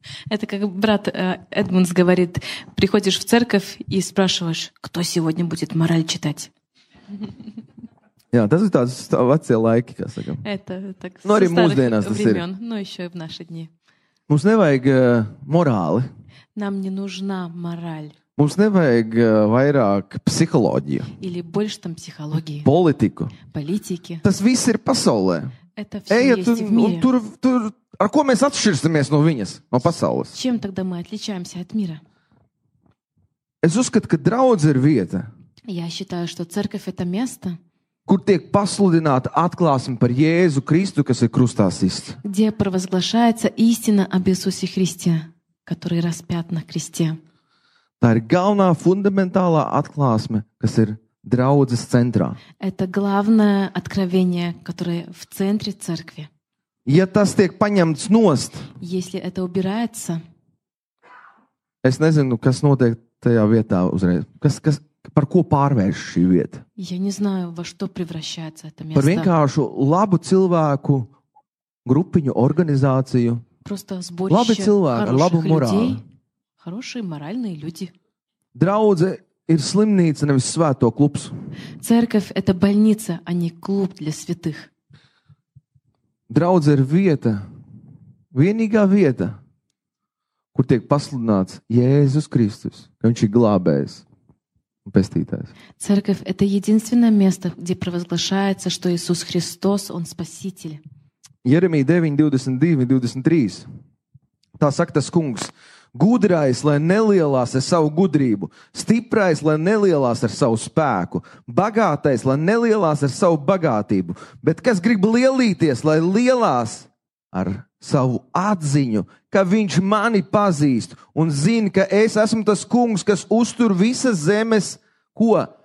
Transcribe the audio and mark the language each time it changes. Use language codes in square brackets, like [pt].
[ru] Это как брат Эдмундс говорит, приходишь в церковь и спрашиваешь, кто сегодня будет мораль читать. [lv] Jā, tas ir tāds vecie laiki, kā sakam. [ru] Это так, [lv] ну, arī mūsdienās tas ir. [ru] Ну, еще и в наши дни. [lv] Mums nevajag morāli. [ru] Нам не нужна мораль. [lv] Mums nevajag vairāk psiholoģiju. [ru] Или больше там психологии. Политику. Политики. [lv] Tas viss ir pasaulē. [ru] Это все есть в мире. [lv] Tur, ar ko mēs atšķirsimies no viņas, no pasaules? [ru] Чем тогда мы отличаемся от мира? [lv] Es uzskatu, ka draudze ir vieta. [ru] Я считаю, что церковь это место. [lv] Kur tiek pasludināta atklāsme par Jēzu Kristu, kas ir krustā sists. [ru] Где провозглашается истина об Иисусе Христе, который распят на кресте. [lv] Tā ir galvenā fundamentālā atklāsme, kas ir draudzes centrā. [ru] Это главное откровение, которое в центре церкви. [lv] Ja tas tiek paņemts nost, [ru] если это убирается. [lv] Es nezinu, kas notiek tajā vietā uzreiz. Kas par ko pārvērš šī vieta? [ru] Я не знаю, во что превращается это место. [lv] Par vienkāršu labu cilvēku grupiņu organizāciju. [ru] Просто сборище. [lv] Labi cilvēki, labu morāli. [ru] Хорошие моральные люди. [lv] Draudze ir slimnīca, nevis svēto klubs. [ru] Церковь это больница, а не клуб для святых. [lv] Draudze ir vieta, vienīgā vieta, kur tiek pasludināts Jēzus Kristus, ka viņš ir glābējs un pestītājs. [ru] Церковь это единственное место, где провозглашается, что Иисус Христос, он спаситель. [lv] Jeremija 9:22-23. Tā saka tas Kungs: Gudrais, lai nelielās ar savu gudrību, stiprais, lai nelielās ar savu spēku, bagātais, lai nelielās ar savu bagātību, bet kas grib lielīties, lai lielās ar savu atziņu, ka viņš mani pazīst un zina, ka es esmu tas kungs, kas uztur visas zemes, ko?